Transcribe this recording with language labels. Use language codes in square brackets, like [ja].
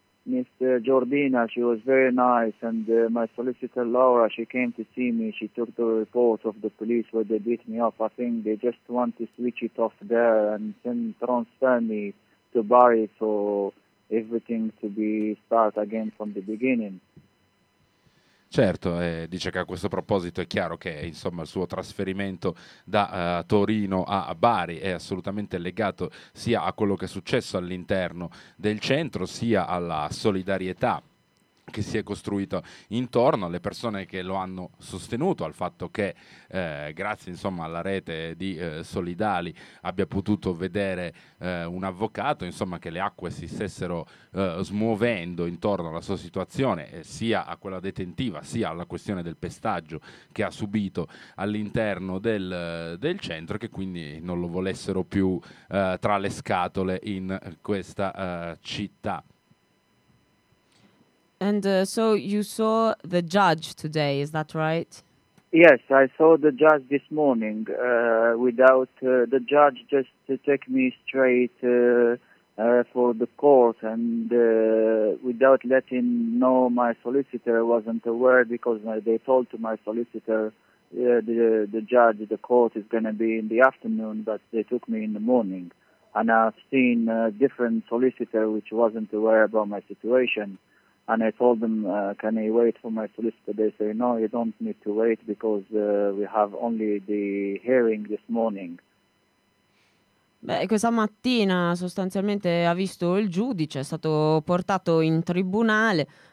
[en] Mr. Jordina, she was very nice, and my solicitor Laura, she came to see me. She took the report of the police where they beat me up. I think they just want to switch it off there and then transfer me to Bari for everything to be start again from the beginning. [it] Certo, dice che a questo proposito è chiaro che insomma il suo trasferimento da Torino a Bari è assolutamente legato sia a quello che è successo all'interno del centro, sia alla solidarietà che si è costruita intorno alle persone che lo hanno sostenuto, al fatto che grazie insomma alla rete di Solidali abbia potuto vedere un avvocato, insomma che le acque si stessero smuovendo intorno alla sua situazione, sia a quella detentiva sia alla questione del pestaggio che ha subito all'interno del centro, che quindi non lo volessero più tra le scatole in questa città. [en] And so you saw the judge today, is that right? Yes, I saw the judge this morning. Without the judge, just to take me straight for the court, and without letting know my solicitor, I wasn't aware, because they told to my solicitor the judge, the court is going to be in the afternoon, but they took me in the morning. And I've seen a different solicitor which wasn't aware about my situation. And I told them, can I wait for my solicitor? They say, no, you don't need to wait, because we have only the hearing this morning. [it] Beh, questa mattina sostanzialmente ha visto il giudice, è stato portato in tribunale.